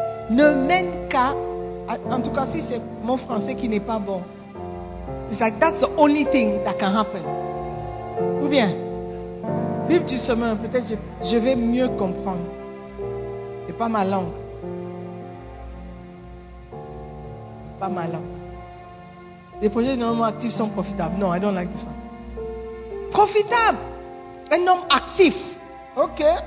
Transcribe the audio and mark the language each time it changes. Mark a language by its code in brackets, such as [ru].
[fr] Ne mènent qu'à... En tout cas, si c'est mon français qui n'est pas bon. [en] It's like, that's the only thing that can happen. [fr] Ou bien, Bible du Semeur, peut-être je vais mieux comprendre. C'est pas ma langue. Pas ma langue. Les projets normalement actifs sont profitables. [en] Non, I don't like this one. Profitable. [fr] Un homme actif. [en] Ok.